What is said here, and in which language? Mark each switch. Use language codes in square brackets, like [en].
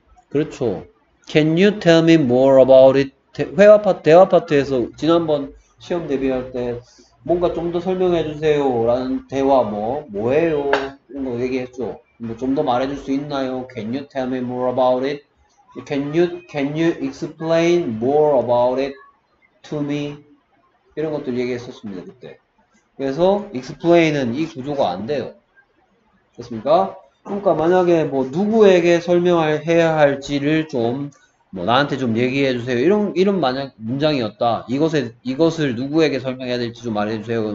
[en] 그렇죠. Can you tell me more about it? [ko] 대화 파트에서 지난번 시험 대비할 때 뭔가 좀더 설명해 주세요라는 대화 뭐예요? 이런 거 얘기했죠. 뭐좀더 말해 줄수 있나요? [en] Can you tell me more about it? Can you explain more about it to me? [ko] 이런 것들 얘기했었습니다, 그때. 그래서 explain은 이 구조가 안 돼요. 됐습니까? 그러니까 만약에 뭐 누구에게 해야 할지를 좀뭐 나한테 좀 얘기해 주세요. 이런 만약 문장이었다. 이것을 누구에게 설명해야 될지 좀 말해 주세요.